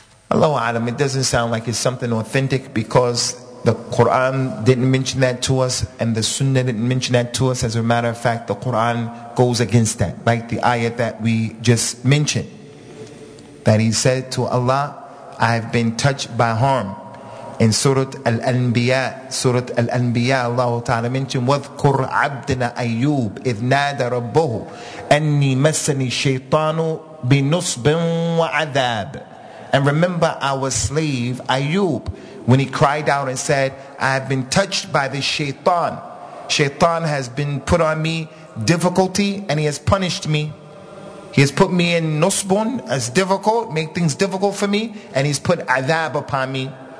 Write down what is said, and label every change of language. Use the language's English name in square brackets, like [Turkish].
[English] Allahu alam, it doesn't sound like it's something authentic, because the Quran didn't mention that to us and the Sunnah didn't mention that to us. As a matter of fact, the Quran goes against that, like the ayat that we just mentioned, that he said to Allah, I've been touched by harm. In Surah Al-Anbiya, Allah Ta'ala mentioned, [Arabic] وَذْكُرْ عَبْدِنَا أَيُّوبِ إِذْ نَادَ رَبُّهُ أَنِّي مَسَّنِي الشَّيْطَانُ بِنُصْبٍ وَعَذَابٍ. [English] And remember our slave Ayub, when he cried out and said, I have been touched by the shaitan. Shaitan has been put on me difficulty and he has punished me. He has put me in nusbun, as difficult, make things difficult for me, and he's put adab upon me.